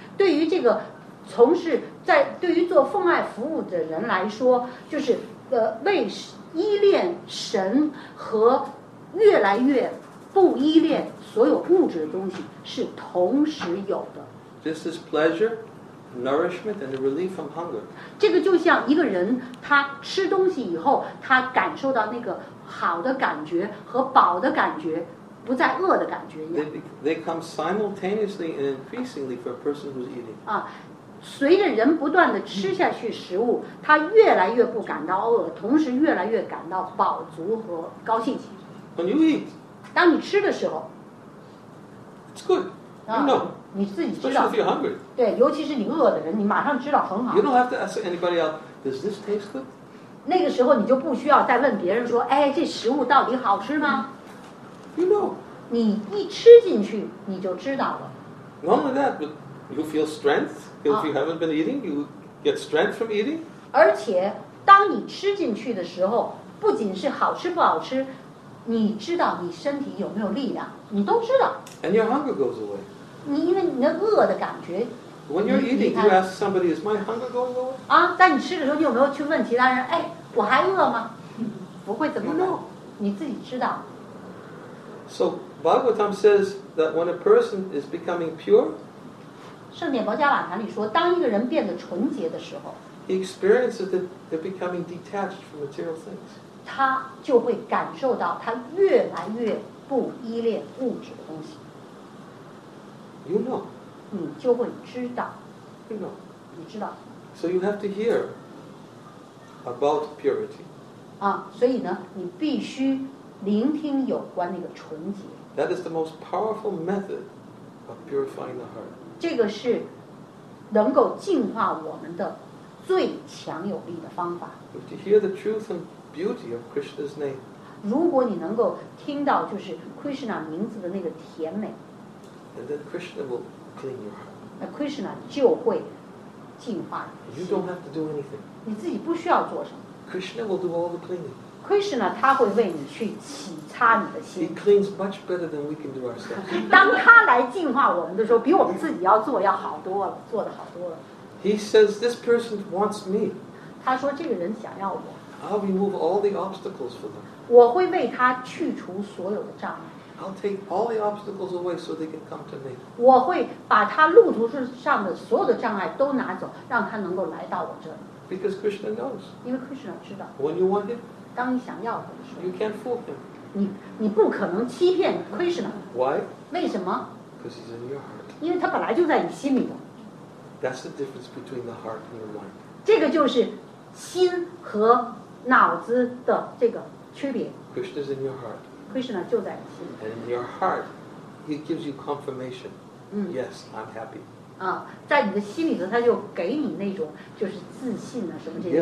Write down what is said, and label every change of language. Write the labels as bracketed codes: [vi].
[zh] 对于这个从事在对于做奉爱服务的人来说，就是为依恋神和越来越不依恋所有物质的东西是同时有的。 [en] This is pleasure. Nourishment and a relief from hunger. [zh] 这个就像一个人他吃东西以后他感受到那个好的感觉和饱的感觉不再饿的感觉一样。 [en] They come simultaneously and increasingly for a person who's eating. [zh] 随着人不断地吃下去食物他越来越不感到饿同时越来越感到饱足和高兴起。 [en] When you eat, [zh] 当你吃的时候 [en] it's good, you know. [zh] 你自己知道 [en] if you're hungry. [zh] 对尤其是你饿的人你马上知道很好 [en] you don't have to ask anybody else, does this taste good? [zh] 那个时候你就不需要再问别人说哎，这食物到底好吃吗 [en] you know [zh] 你一吃进去你就知道了 [en] not only that, but you feel strength if you haven't been eating, you get strength from eating [zh] 而且当你吃进去的时候不仅是好吃不好吃你知道你身体有没有力量你都知道 [en] and your hunger goes away [zh] 你因为你那饿的感觉 [en] When you're eating, you ask somebody, is my hunger going away? [zh] 在你吃的时候你有没有去问其他人哎，我还饿吗不会怎么办 [en] you know. [zh] 你自己知道 [en] So Bhagavatam says that when a person is becoming pure [zh] 圣典薄伽瓦坛里说当一个人变得纯洁的时候 [en] He experiences that they're becoming detached from material things [zh] 他就会感受到他越来越不依恋物质的东西 [en] You know. [zh] 你就会知道。 [en] You know. [zh] 你知道。 [en] So you have to hear about purity. [zh] 所以呢，你必须聆听有关那个纯洁。 [en] That is the most powerful method of purifying the heart. [zh] 这个是能够净化我们的最强有力的方法。 [en] You have to hear the truth and beauty of Krishna's name. [zh] 如果你能够听到就是 Krishna 名字的那个甜美。 [en] And then Krishna will clean your heart. [zh] 那 Krishna 就会净化你的心。 [en] You don't have to do anything. [zh] 你自己不需要做什么。 [en] Krishna will do all the cleaning. [zh] Krishna 他会为你去洗擦你的心。 [en] He cleans much better than we can do ourselves. [zh] 当他来净化我们的时候，比我们自己要做要好多了，做得好多了。 [en] He says this person wants me. [zh] 他说这个人想要我。 [en] I'll remove all the obstacles for them. [zh] 我会为他去除所有的障碍。 [en] I'll take all the obstacles away so they can come to me. [zh] 我会把他路途上的所有的障碍都拿走，让他能够来到我这里。 [en] Because Krishna knows. [zh] 因为 Krishna 知道。 [en] When you want him. [zh] 当你想要他的时候。 [en] You can't fool him. [zh] 你不可能欺骗 Krishna. [en] Why? [zh] 为什么？ [en] Because he's in your heart. [zh] 因为他本来就在你心里的。 [en] That's the difference between the heart and the mind. [zh] 这个就是心和脑子的这个区别。 [en] Krishna's in your heart. [zh] Krishna 就在你心。 [en] And your heart, he gives you confirmation. Yes, I'm happy. [zh] 在你的心里头，他就给你那种就是自信啊，什么这些。